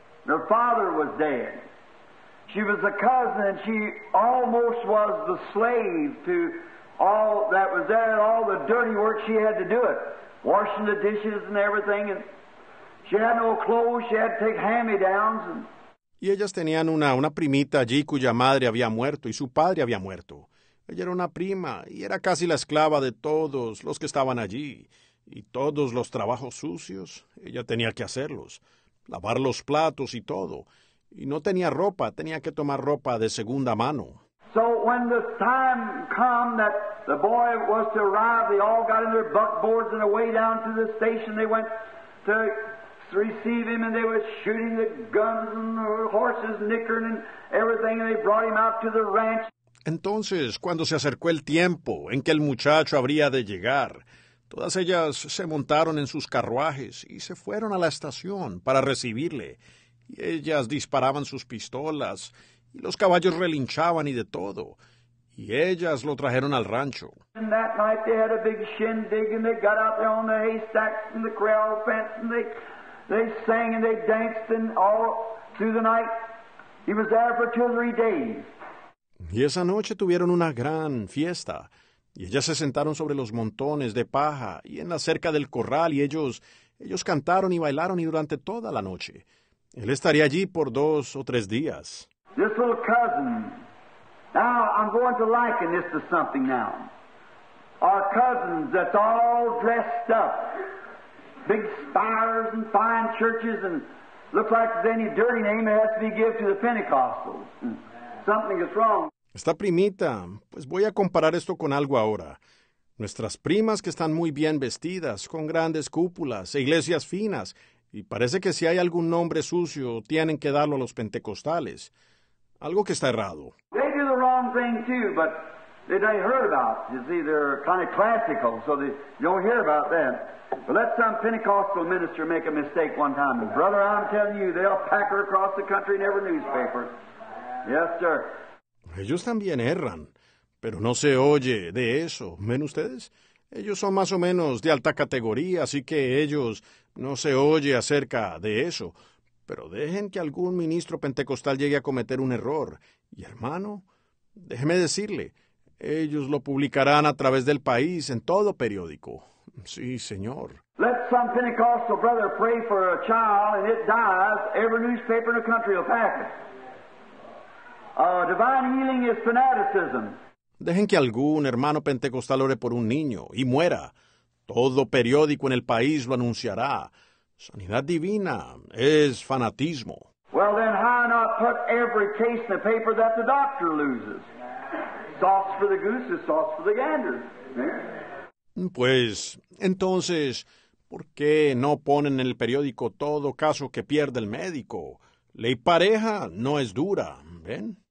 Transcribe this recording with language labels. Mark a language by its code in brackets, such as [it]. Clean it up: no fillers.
[en] Her father was dead. She was a cousin and she almost was the slave to all that was there and all the dirty work she had to do it. Washing the dishes and everything. And she had no clothes. She had to take hand-me-downs. [es] Y ellas tenían una primita allí cuya madre había muerto y su padre había muerto. Ella era una prima y era casi la esclava de todos los que estaban allí. Y todos los trabajos sucios, ella tenía que hacerlos, lavar los platos y todo. Y no tenía ropa, tenía que tomar ropa de segunda mano. [en] So when the time come that the boy was to arrive, they all got in their buckboards and away down to the station. They went to receive him and they were shooting the guns and horses nickering and everything and they brought him out to the ranch. [es] Entonces, cuando se acercó el tiempo en que el muchacho habría de llegar, todas ellas se montaron en sus carruajes y se fueron a la estación para recibirle. Y ellas disparaban sus pistolas y los caballos relinchaban y de todo. Y ellas lo trajeron al rancho. [en] And that night they had a big shindig and they got out there on the haystacks and the corral fence and they sang and they danced and all through the night. He was there for two or three days. [es] Y esa noche tuvieron una gran fiesta. Y ellas se sentaron sobre los montones de paja y en la cerca del corral y ellos cantaron y bailaron y durante toda la noche. Él estaría allí por dos o tres días. [en] This little cousin, now I'm going to liken this to something now. Our cousins that's all dressed up, big spires and fine churches and looks like there's any dirty name that has to be given to the Pentecostals. Something is wrong. [es] Esta primita, pues voy a comparar esto con algo ahora. Nuestras primas que están muy bien vestidas, con grandes cúpulas e iglesias finas, y parece que si hay algún nombre sucio, tienen que darlo a los pentecostales. Algo que está errado. [en] They do the wrong thing too, but they heard about it. You see, they're kind of classical, so they don't hear about that. But let some Pentecostal minister make a mistake one time. And brother, I'm telling you, they'll pack her across the country in every newspaper. Yes, sir. [es] Ellos también erran, pero no se oye de eso, ¿ven ustedes? Ellos son más o menos de alta categoría, así que ellos no se oye acerca de eso. Pero dejen que algún ministro pentecostal llegue a cometer un error. Y hermano, déjeme decirle, ellos lo publicarán a través del país en todo periódico. Sí, señor. [en] Let some Pentecostal brother pray for a child and it dies, every newspaper in the country will pack it. Divine healing is fanaticism. [es] Dejen que algún hermano pentecostal ore por un niño y muera. Todo periódico en el país lo anunciará. Sanidad divina es fanatismo. [en] Well, then, why not put every case in the paper that the doctor loses? Sauce for the goose is sauce for the gander. [es] Pues, entonces, ¿por qué no ponen en el periódico todo caso que pierde el médico? Ley pareja no es dura, ¿ven?